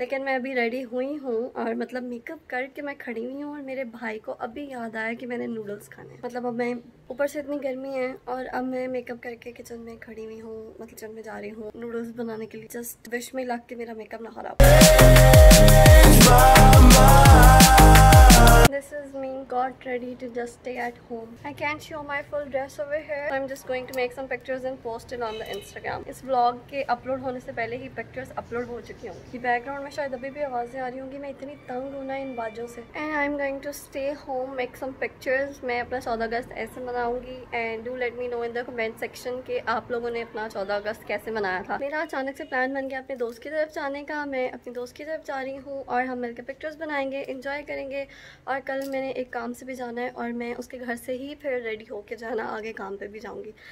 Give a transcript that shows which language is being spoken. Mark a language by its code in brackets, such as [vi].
[hi] लेकिन मैं अभी रेडी हुई हूँ और मतलब मेकअप करके मैं खड़ी हुई हूँ और मेरे भाई को अभी याद आया कि मैंने नूडल्स खाने. मतलब अब मैं ऊपर से इतनी गर्मी है और अब मैं मेकअप करके किचन में खड़ी हुई हूँ, मतलब किचन में जा रही हूँ नूडल्स बनाने के लिए. [en] just wish me luck [hi] कि मेरा मेकअप ना खराब. [en] This is me got ready to just stay at home. I can't show my full dress over here. I'm just going to make some pictures and post it on the Instagram. [hi] इस vlog के upload होने से पहले ही pictures upload हो चुकी होंगी. Background में शायद अभी भी आवाजें आ रही होंगी, मैं इतनी तंग हूँ ना इन बाजों से. [en] And I'm going to stay home, make some pictures. [hi] मैं अपना 14 अगस्त ऐसे मनाऊंगी. [en] And do let me know in the comment section [hi] के आप लोगों ने अपना 14 अगस्त कैसे मनाया था. मेरा अचानक से plan बन गया अपने दोस्त की तरफ जाने का. मैं अपनी दोस्त की तरफ जा रही हूँ और हम मिलकर पिक्चर्स बनाएंगे, इंजॉय करेंगे. और कल मैंने एक काम से भी जाना है और मैं उसके घर से ही फिर रेडी होकर जाना आगे काम पे भी जाऊंगी.